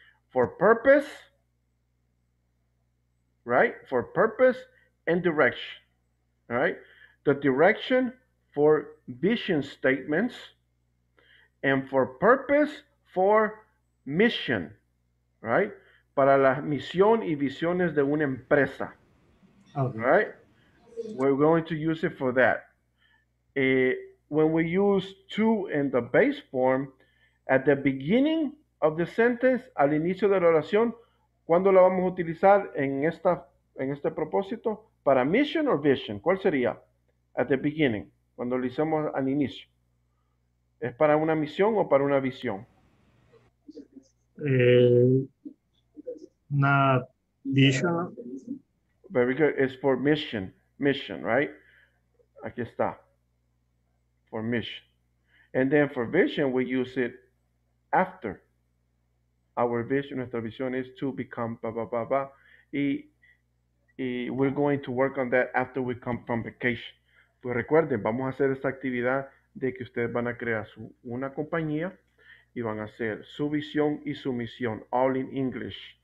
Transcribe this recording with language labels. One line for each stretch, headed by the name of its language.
English: For purpose, right? For purpose and direction, right? The direction for vision statements, and for purpose for mission, right?
Spanish: Para la misión y visiones de una empresa, okay.
English: Right? We're going to use it for that. When we use to in the base form, at the beginning of the sentence,
Spanish: al inicio de la oración, ¿cuándo la vamos a utilizar en este propósito? Para
English: mission or vision,
Spanish: ¿cuál sería?
English: At the beginning,
Spanish: cuando lo hicimos al inicio. ¿Es para una misión o para una visión? Una vision.
English: Very good. It's for mission. Mission, right?
Spanish: Aquí está.
English: For mission. And then for vision, we use it after. Our vision,
Spanish: nuestra visión
English: is to become blah, blah, blah, blah. Y we're going to work on that after we come from vacation.
Spanish: Pues recuerden, vamos a hacer esta actividad de que ustedes van a crear una compañía y van a hacer su visión y su misión,
English: all in English.